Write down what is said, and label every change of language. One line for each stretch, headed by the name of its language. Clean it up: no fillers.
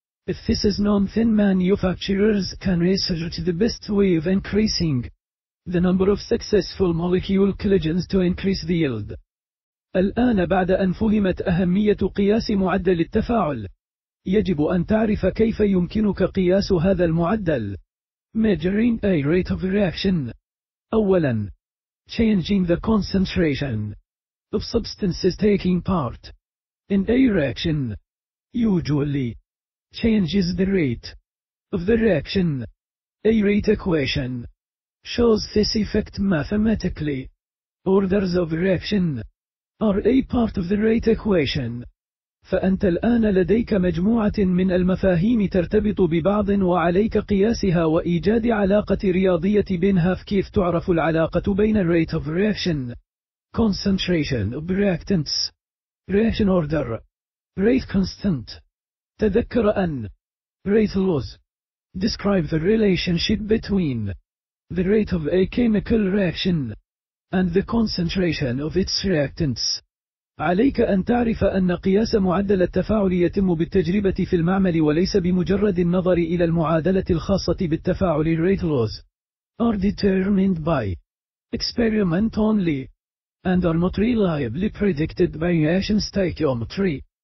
English: If this is known, then manufacturers can research the best way of increasing the number of successful molecule collisions to increase the yield.
Arabic: الآن بعد أن فهمت أهمية قياس معدل التفاعل، يجب أن تعرف كيف يمكنك قياس هذا المعدل.
English: Measuring a rate of reaction.
Arabic: أولا،
English: changing the concentration of substances taking part in a reaction usually changes the rate of the reaction. A rate equation shows this effect mathematically. Orders of reaction are a part of the rate equation.
Arabic: فأنت الآن لديك مجموعة من المفاهيم ترتبط ببعض وعليك قياسها وإيجاد علاقة رياضية بينها. فكيف تعرف العلاقة بين
English: rate of reaction, concentration of reactants, reaction order, rate constant؟
Arabic: تذكر أن
English: rate laws describe the relationship between the rate of a chemical reaction and the concentration of its reactants.
Arabic: عليك أن تعرف أن قياس معدل التفاعل يتم بالتجربة في المعمل وليس بمجرد النظر إلى المعادلة الخاصة بالتفاعل.
English: Rate laws are determined by experiment only and are not reliably predicted by reaction stoichiometry.